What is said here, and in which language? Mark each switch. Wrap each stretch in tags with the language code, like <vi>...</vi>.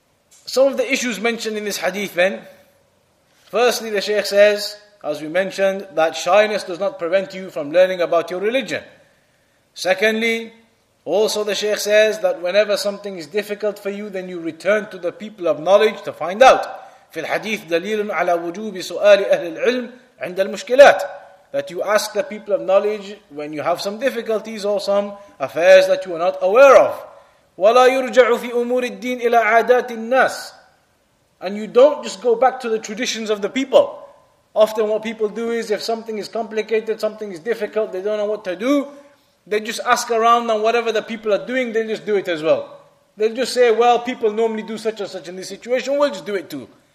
<en>Some of the issues mentioned in this hadith then. Firstly, the Shaykh says, as we mentioned, that shyness does not prevent you from learning about your religion. Secondly, also the Shaykh says that whenever something is difficult for you, then you return to the people of knowledge to find out.</en> <ar>في الحديث دليل على وجوب سؤال أهل العلم عند المشكلات.</ar> <en>That you ask the people of knowledge when you have some difficulties or some affairs that you are not aware of.</en> <ar>ولا يرجع في أمور الدين إلى عادات الناس.</ar> <en>And you don't just go back to the traditions of the people. Often what people do is if something is complicated, something is difficult, they don't know what to do, they just ask around and whatever the people are doing, they just do it as well. They just say, well, people normally do such and such in this situation, we'll just do it too.</en>